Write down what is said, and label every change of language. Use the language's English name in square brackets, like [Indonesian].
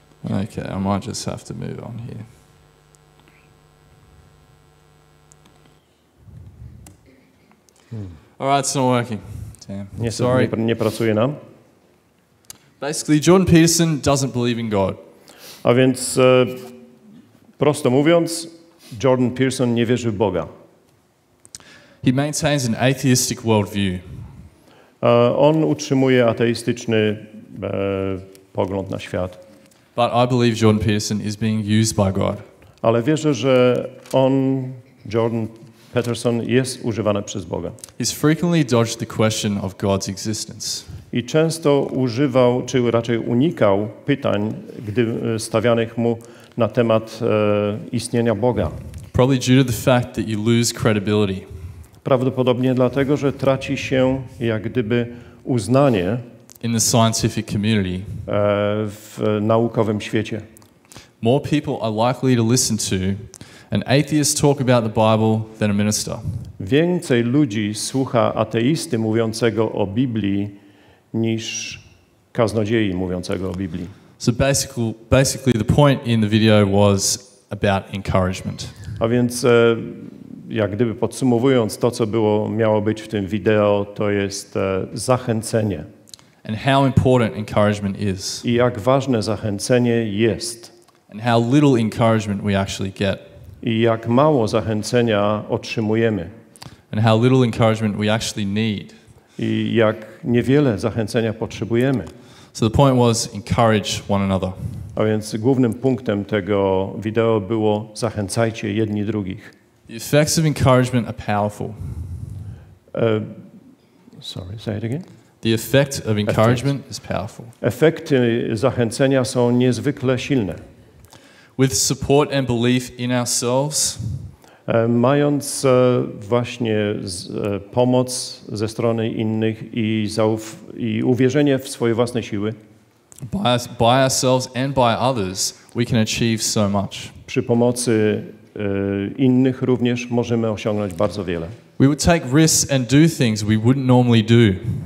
[English] Okay, I might just have to move on here. All right, it's not working. Damn. [Polish] Nie, [English] sorry. [Polish] Nie pracuje nam. [English] Basically, Jordan Peterson doesn't believe in God. [Polish] A więc, prosto mówiąc, Jordan Peterson nie wierzy w Boga. [English] He maintains an atheistic worldview. [Polish] On utrzymuje ateistyczny pogląd na świat. [English] But I believe Jordan Peterson is being used by God. [Polish] Ale wierzę, że on, Jordan Peterson, jest używany przez Boga. [English] He's frequently dodged the question of God's existence. [Polish] I często używał, czy raczej unikał pytań, gdy stawianych mu na temat istnienia Boga. [English] Probably due to the fact that you lose credibility. [Polish] Prawdopodobnie dlatego, że traci się jak gdyby uznanie [English] in the scientific community. [Polish] W naukowym świecie. [English] More people are likely to listen to an atheist talk about the Bible than a minister. [Polish] Więcej ludzi słucha ateisty mówiącego o Biblii niż kaznodziei mówiącego o Biblii. [English] So basically the point in the video was about encouragement. [Polish] A więc jak gdyby podsumowując to, co było, miało być w tym wideo, to jest zachęcenie. [English] And how important encouragement is. [Polish] I jak ważne zachęcenie jest. [English] And how little encouragement we actually get. [Polish] I jak mało zachęcenia otrzymujemy. [English] And how little encouragement we actually need. [Polish] I jak niewiele zachęcenia potrzebujemy. [English] So the point was encourage one another. [Polish] A więc głównym punktem tego wideo było zachęcajcie jedni drugich. [English] The effects of encouragement are powerful. Sorry, say it again. The effect of encouragement is powerful. [Polish] Efekty zachęcenia są niezwykle silne. [English] With support and belief in ourselves. [Polish] Mając właśnie pomoc ze strony innych i uwierzenie w swoje własne siły. [English] By ourselves and by others, we can achieve so much. [Polish] Przy pomocy innych również możemy osiągnąć bardzo wiele. [English] We would take risks and do things we wouldn't normally do.